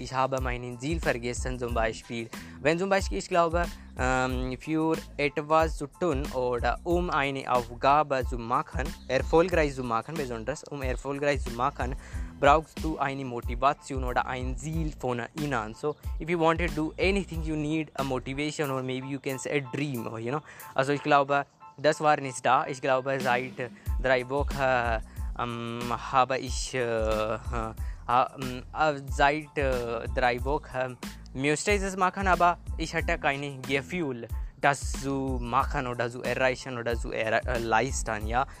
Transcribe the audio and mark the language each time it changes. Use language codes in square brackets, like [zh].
[de] Ich habe meinen Ziel vergessen, zum Beispiel. Wenn zum Beispiel, ich glaube, für etwas zu tun oder um eine Aufgabe zu machen, erfolgreich zu machen, besonders um erfolgreich zu machen, brauchst du eine Motivation oder ein Ziel von innen. [en] So if you want to do anything, you need a motivation, or maybe you can say a dream, or, you know. [de] Also ich glaube, das war nicht da. Ich glaube, seit drei Wochen habe ich seit drei Wochen müsste ich das machen, aber ich hatte keine Gefühl, das zu machen oder zu erreichen oder zu leisten, ja.